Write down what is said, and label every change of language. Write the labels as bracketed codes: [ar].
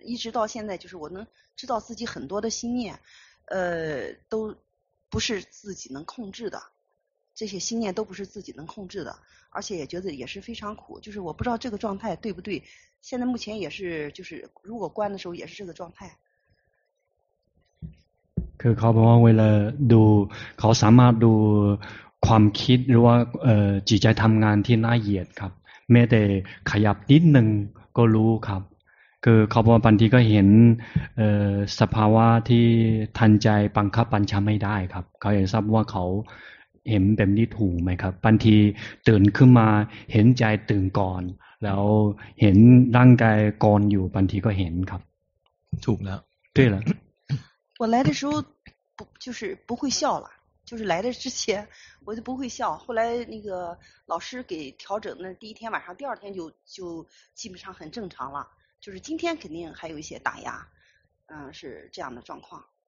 [zh] 一直到现在，就是我能知道自己很多的心念，都不是自己能控制的，这些心念都不是自己能控制的，而且也觉得也是非常苦。就是我不知道这个状态对不对，现在目前也是，就是如果关的时候也是这个状态。 [th] คือเขาบอกว่าเวลาดูเขาสามารถดูความคิดหรือว่าจิตใจทำงานที่น่าเหยียดครับแม้แต่ขยับนิดหนึ่งก็รู้ครับคือเขาบอกว่าบางทีก็เห็นสภาวะที่ทันใจบังคับบัญชาไม่ได้ครับเขาอยากทราบว่าเขาเห็นแบบนี้ถูกไหมครับบางทีตื่นขึ้นมาเห็นใจตื่นก่อนแล้วเห็นร่างกายก่อนอยู่บางทีก็เห็นครับ ถูกแล้ว ใช่แล้ว [zh] 我来的时候不就是不会笑了，就是来的之前我就不会笑，后来那个老师给调整的第一天晚上，第二天就基本上很正常了，就是今天肯定还有一些打压，是这样的状况。